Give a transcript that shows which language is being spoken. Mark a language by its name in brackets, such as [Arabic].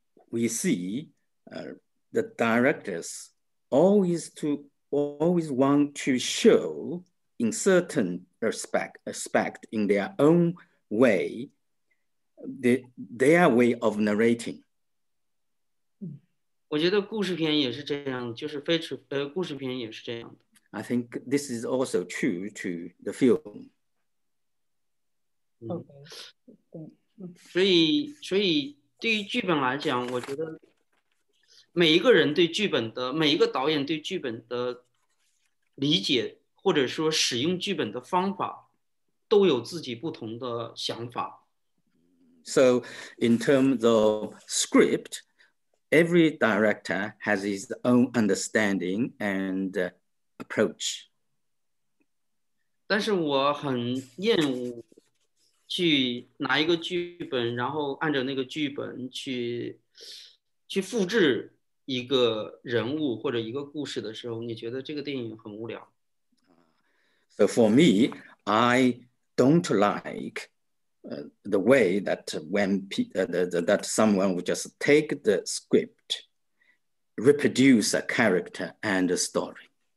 [English] We see the directors always want to show in certain aspect in their own way their way of narrating. [Chinese] 我觉得故事片也是这样，就是非故事片也是这样的。 [English] I think this is also true to the film. Okay. [Chinese] 所以对于剧本来讲，我觉得每一个人对剧本的，每一个导演对剧本的理解，或者说使用剧本的方法，都有自己不同的想法。 [English] So in terms of script, every director has his own understanding and approach. [Chinese] 但是我很厌恶去拿一个剧本，然后按照那个剧本去复制一个人物或者一个故事的时候，你觉得这个电影很无聊。 [English] So for me, I don't like the way that when that someone would just take the script, reproduce a character and a story.